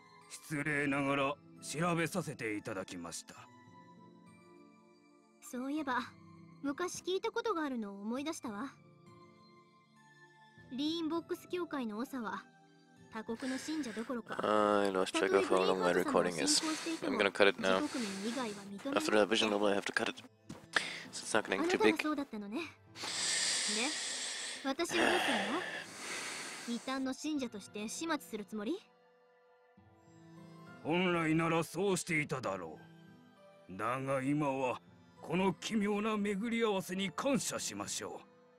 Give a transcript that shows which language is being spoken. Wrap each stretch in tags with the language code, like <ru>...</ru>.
<ja>失礼ながら調べさせていただきました。そういえば、昔聞いたことがあるのを思い出したわ。リーンボックス教会の長は他国の信者どころか、</ja> <en>I lost track of how long my recording is. I'm gonna cut it now. After that vision level, I have to cut it. So it's not getting too big.</en> <ja>あなたもそうだったのね。で、私はどうするの？異端の信者として始末するつもり？本来ならそうしていただろう。だが今はこの奇妙な巡り合わせに感謝しましょう。</ja>